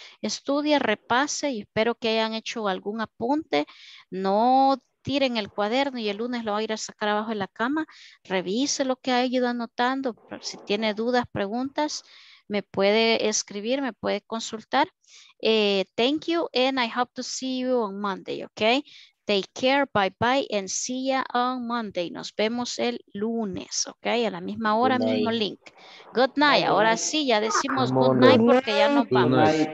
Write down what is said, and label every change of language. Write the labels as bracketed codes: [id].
[es] Estudie, repase y espero que hayan hecho algún apunte. No tiren el cuaderno y el lunes lo va a ir a sacar abajo de la cama. Revise lo que ha ido anotando. Si tiene dudas, preguntas, me puede escribir, me puede consultar. [en] Thank you and I hope to see you on Monday, okay? Take care, bye bye and see you on Monday. [es] Nos vemos el lunes, okay? A la misma hora, mismo link. [en] Good night. Bye. [es] Ahora sí, ya decimos good night porque ya nos vamos.